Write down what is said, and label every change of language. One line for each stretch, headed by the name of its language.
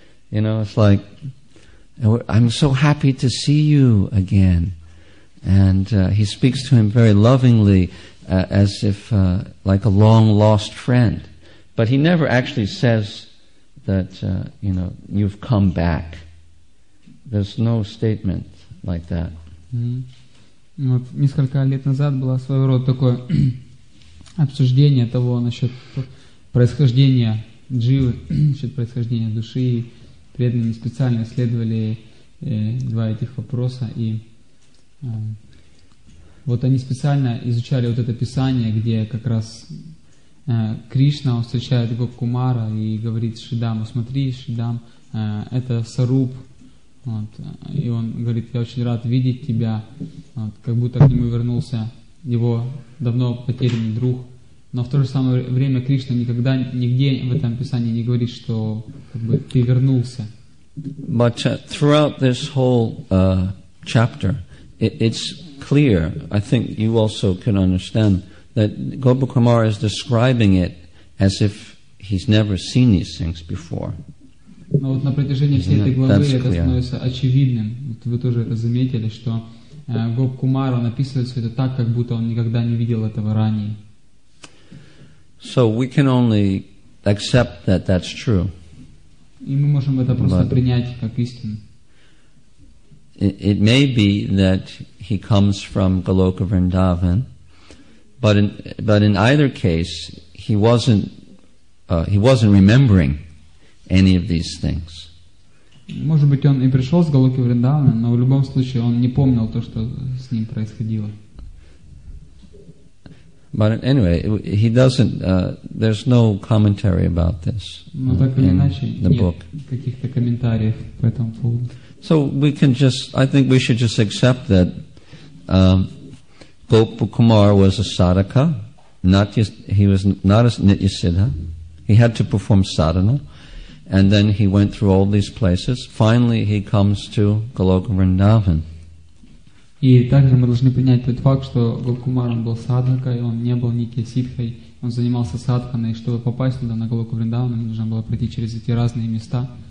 English: You know, it's like, "I'm so happy to see you again." And he speaks to him very lovingly, as if like a long lost friend. But he never actually says that, you know, you've come back. There's no statement like that. Mm-hmm.
Russian: Вот несколько лет назад было своего рода такое обсуждение того насчет происхождения дживы, насчет происхождения души. Преданные специально исследовали два этих вопроса. И вот они специально изучали вот это писание, где как раз Кришна встречает Гопкумара и говорит Шридаму: «Смотри, Шридам, это Саруп». Вот. И он говорит: «Я очень рад видеть тебя». Вот. Как будто к нему вернулся его давно потерянный друг. Но в то же самое время Кришна никогда нигде в этом писании не говорит, что как бы ты вернулся.
English: But throughout this whole chapter, it's clear, I think you also can understand, that Gopa Kumara is describing it as if he's never seen these things before.
Russian: Но вот на протяжении всей этой главы это становится очевидным. Вот вы тоже это заметили, что Гоп Кумара написывает все это так, как будто он никогда не видел этого ранее.
English: So we can only accept that that's true.
Russian: И мы можем это просто принять как истину.
English: It may be that he comes from Goloka Vrindavan, but in either case, he wasn't remembering any of these things.
Russian: Может быть, он и пришел с Голоки Вриндавана, но в любом случае он не помнил то, что с ним происходило.
English: But anyway, he doesn't. There's no commentary about this in the book.
Russian: Нет каких-то комментариев по этому поводу.
English: So we can just. I think we should just accept that Gopa Kumara was a sadhaka. He was not a nityasiddha. He had to perform sadhana, and then he went through all these places. Finally, he comes to Goloka Vrindavan.
Russian: И также мы должны принять тот факт, что Гопкумар был садхакой, он не был никакой ситхой, он занимался садханой, и чтобы попасть туда, на Голоку Вриндавана, ему нужно было пройти через эти разные места.